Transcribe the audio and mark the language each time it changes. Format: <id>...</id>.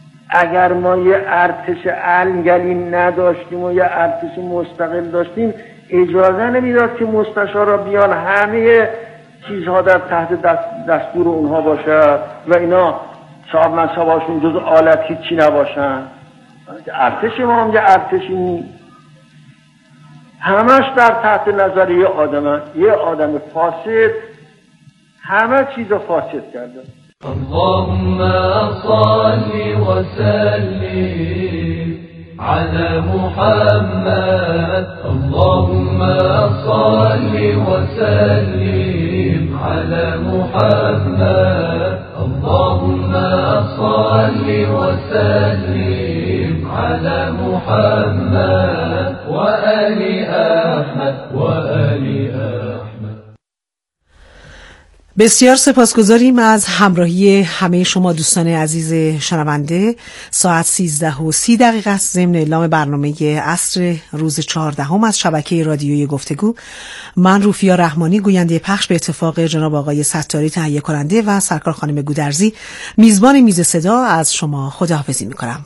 <fa>اگر ما یه ارتش انگلی نداشتیم و یه ارتش مستقل داشتیم، اجازه نمیداد که مستشار را بیان همه چیزها در تحت دستور اونها باشد و اینا صاحب منصب هاشون جز آلت هیچی نباشن. ارتش ما هم یه ارتشی نیست، همش در تحت نظر یه آدم هست. یه آدم فاسد همه چیز را فاسد کرده.</fa> <ar>اللهم صل وسلم على محمد، اللهم صل وسلم على محمد، اللهم صل وسلم على محمد وآل أحمد وآل أحمد.</ar> <fa>بسیار سپاسگزاریم از همراهی همه شما دوستان عزیز شنونده. ساعت 13:30 است. ضمن اعلام برنامه عصر روز 14 از شبکه رادیوی گفتگو، من روفیا رحمانی گوینده پخش به اتفاق جناب آقای ستاری تهیه کننده و سرکار خانم گودرزی میزبان میز صدا، از شما خداحافظی میکنم.</fa>